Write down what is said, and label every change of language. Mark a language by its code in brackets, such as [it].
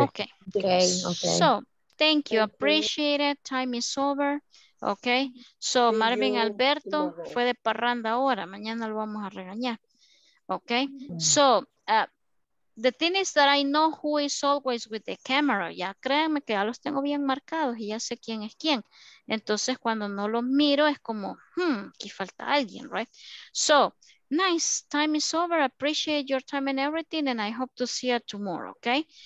[en] Okay. Okay. So, thank you. Appreciate it. Time is over. Okay. [es] So, Marvin Alberto fue de parranda ahora. Mañana lo vamos a regañar. Okay. [en] So, the thing is that I know who is always with the camera. [es] Ya créanme que ya los tengo bien marcados y ya sé quién es quién. Entonces, cuando no los miro, es como, aquí falta alguien, right? [en] So, nice, time is over. Appreciate your time and everything, and I hope to see you tomorrow, okay?